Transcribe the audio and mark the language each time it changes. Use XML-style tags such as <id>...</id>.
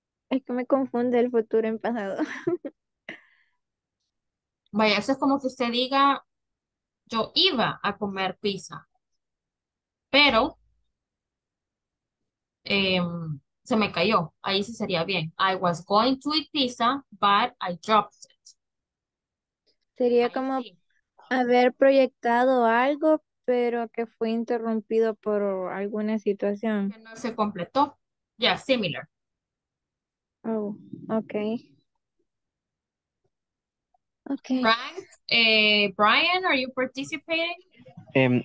<es>Es que me confunde el futuro en pasado. Vaya, eso es como que usted diga, yo iba a comer pizza, pero se me cayó. Ahí sí sería bien.</es> <en>I was going to eat pizza, but I dropped it.</en> <es>Sería ahí como sí. Haber proyectado algo, pero que fue interrumpido por alguna situación. Que no se completó.</es> <en>Yeah, similar. Oh, okay. Okay. Frank, Brian, are you participating?</en>